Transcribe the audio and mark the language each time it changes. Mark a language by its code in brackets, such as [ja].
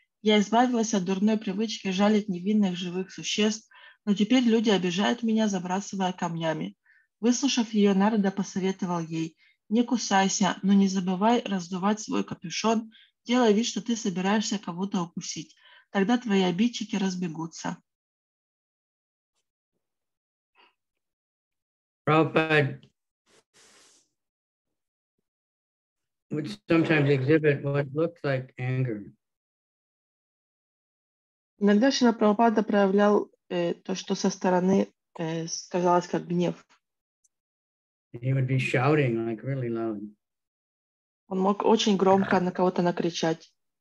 [ru] Я избавилась от дурной привычки жалить невинных живых существ, но теперь люди обижают меня, забрасывая камнями. Выслушав ее, Нарада посоветовал ей, не кусайся, но не забывай раздувать свой капюшон, делай вид, что ты собираешься кого-то укусить. Тогда твои обидчики разбегутся. [en] Prabhupada would sometimes exhibit what looked like anger. [ru] Иногда Шрила Прабхупада проявлял то, что со стороны казалось как гнев. [en] He would be shouting, like, really loud. [ru] Он мог очень громко на кого-то накричать.